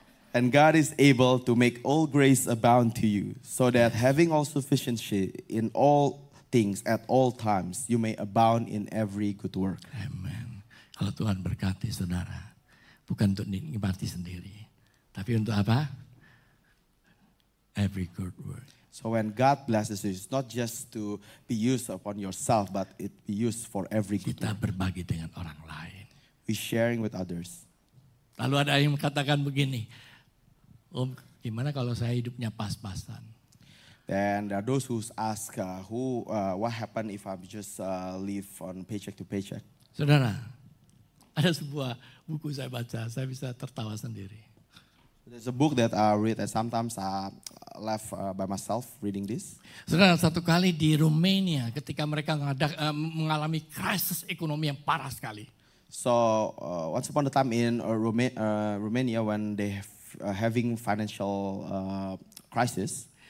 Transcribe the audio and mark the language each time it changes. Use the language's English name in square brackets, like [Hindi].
[English] And God is able to make all grace abound to you, so that having all sufficiency in all things at all times, you may abound in every good work. [Indonesian] Amen. Kalau Tuhan berkati saudara, bukan untuk nikmati sendiri, tapi untuk apa? [English] Every good work. So when God blesses you, it's not just to be used upon yourself, but it be used for every good [Indonesian] work. Kita berbagi dengan orang lain. [English] We sharing with others. [Indonesian] Lalu ada yang mengatakan begini, Om, gimana kalau saya hidupnya pas-pasan? [English] Then there are those who ask, what happen if I just live on paycheck to paycheck? [Indonesian] Saudara, ada sebuah buku saya baca, saya bisa tertawa sendiri. [English] There's a book that I read and sometimes I laugh by myself reading this. [Indonesian] Saudara, satu kali di Romania ketika mereka mengalami krisis ekonomi yang parah sekali. [English] So once upon a time in Romania when they having financial crisis.